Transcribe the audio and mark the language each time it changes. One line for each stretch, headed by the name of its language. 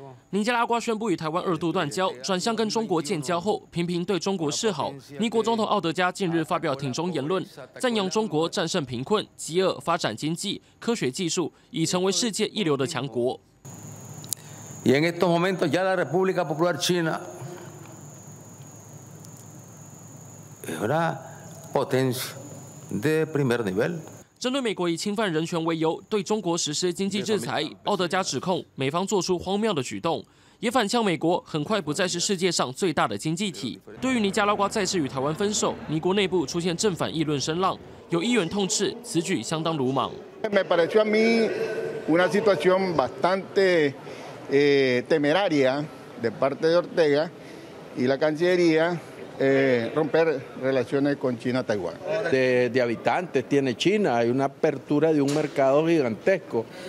Chinese: 尼加拉瓜宣布与台湾二度断交，转向跟中国建交后，频频对中国示好。尼国总统奥德加近日发表挺中言论，赞扬中国战胜贫困、饥饿，发展经济、科学技术，已成为世界一流的强国。
Spanish: Y en estos momentos ya la República Popular China es una potencia de primer nivel。
Chinese: 针对美国以侵犯人权为由对中国实施经济制裁，奥德加指控美方做出荒谬的举动，也反呛美国很快不再是世界上最大的经济体。对于尼加拉瓜再次与台湾分手，尼国内部出现正反议论声浪，有议员痛斥此举相当鲁莽。
Spanish: Me pareció a mí una situación bastante temeraria de parte de Ortega y la Cancillería。 Romper relaciones con China, Taiwán. De habitantes tiene China, hay una apertura de un mercado gigantesco.